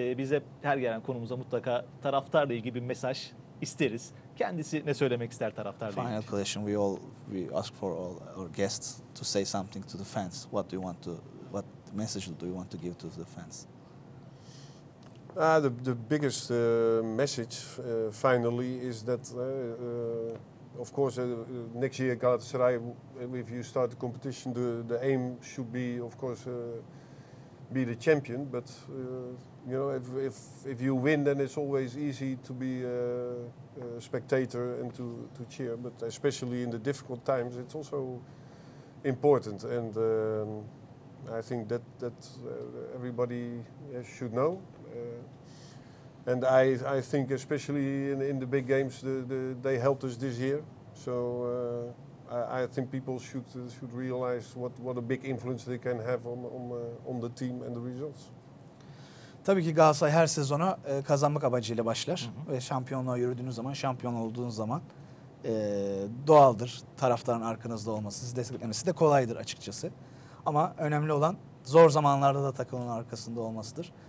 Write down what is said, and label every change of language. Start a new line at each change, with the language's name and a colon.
Turkish: Bize her gelen konumuza mutlaka taraftarla ilgili bir mesaj isteriz. Kendisi ne söylemek ister taraftarla ilgili?
English: Final question, we ask for all our guests to say something to the fans. What message do you want to give to the fans? The biggest message finally is that of course, next year Galatasaray, if you start the competition, the aim should be, of course, be the champion. But you know, if you win, then it's always easy to be a spectator and to cheer. But especially in the difficult times, it's also important. And I think that everybody should know. And I think especially in the big games, they helped us this year. So I think people should realize what a big influence they can have on the team and the results.
Turkish: Tabii ki Galatasaray her sezona kazanmak amacıyla başlar. Ve şampiyonluğa yürüdüğünüz zaman, şampiyon olduğunuz zaman doğaldır taraftarın arkanızda olması, sizi desteklemesi de kolaydır açıkçası. Ama önemli olan zor zamanlarda da takımın arkasında olmasıdır.